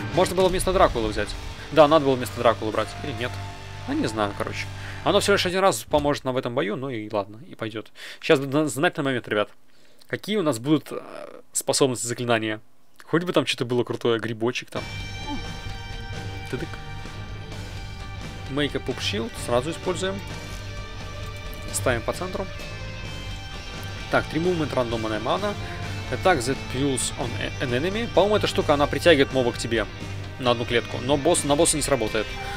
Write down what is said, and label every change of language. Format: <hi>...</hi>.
<ru>Можно было вместо Дракулы взять. Да, надо было вместо Дракулы брать. Или нет. А не знаю, короче. Оно всего лишь один раз поможет нам в этом бою, ну и ладно, и пойдет. Сейчас знать на момент, ребят. Какие у нас будут способности заклинания? Хоть бы там что-то было крутое, грибочек там. Тыдык.</ru> <en>Make a poop shield,</en> <ru>сразу используем. Ставим по центру. Так, 3 movement рандомная мана.</ru> <en>Attack that pulls on an enemy.</en> <ru>По-моему, эта штука, она притягивает моба к тебе на одну клетку. Но босс, на босса не сработает.</ru>